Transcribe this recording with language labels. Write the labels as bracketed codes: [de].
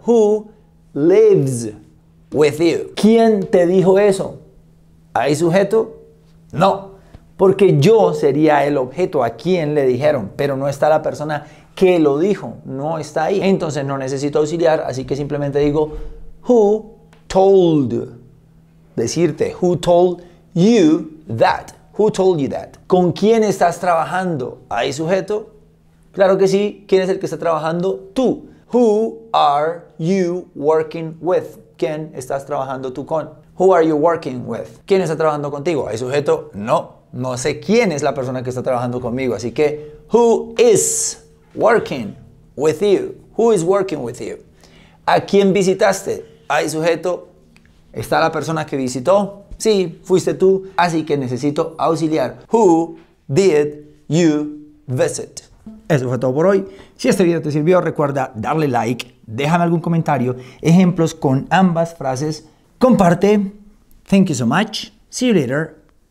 [en] Who lives with you? [es] ¿Quién te dijo eso? ¿Hay sujeto? No, porque yo sería el objeto a quien le dijeron, pero no está la persona que lo dijo, no está ahí. Entonces no necesito auxiliar, así que simplemente digo [en] who told. [es] Decirte [en] who told you that. Who told you that? [es] ¿Con quién estás trabajando? ¿Hay sujeto? Claro que sí. ¿Quién es el que está trabajando? Tú. [en] Who are you working with? [es] ¿Quién estás trabajando tú con? [en] Who are you working with? [es] ¿Quién está trabajando contigo? ¿Hay sujeto? No. No sé quién es la persona que está trabajando conmigo. Así que, [en] who is working with you? Who is working with you? [es] ¿A quién visitaste? ¿Hay sujeto? ¿Está la persona que visitó? Sí, fuiste tú, así que necesito auxiliar. [en] Who did you visit? [es] Eso fue todo por hoy. Si este video te sirvió, recuerda darle like, déjame algún comentario, ejemplos con ambas frases, comparte. [en] Thank you so much. See you later.